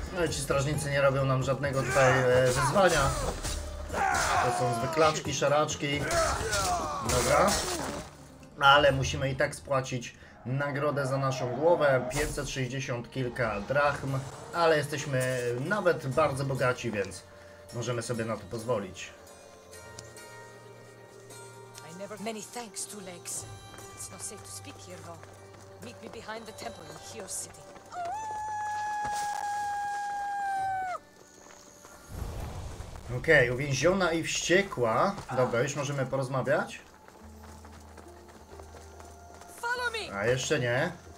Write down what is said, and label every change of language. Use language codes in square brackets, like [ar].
[pl] Ci strażnicy nie robią nam żadnego tutaj wyzwania. To są zwyklaczki, szaraczki. Dobra. Ale musimy i tak spłacić nagrodę za naszą głowę. 560 kilka drachm. Ale jesteśmy nawet bardzo bogaci, więc możemy sobie na to pozwolić. [en] Many thanks to Lex. It's not safe to speak here, though. Meet me behind the temple in Chios City. [pl] Okej, uwięziona i wściekła. Dobra, już możemy porozmawiać. A jeszcze nie.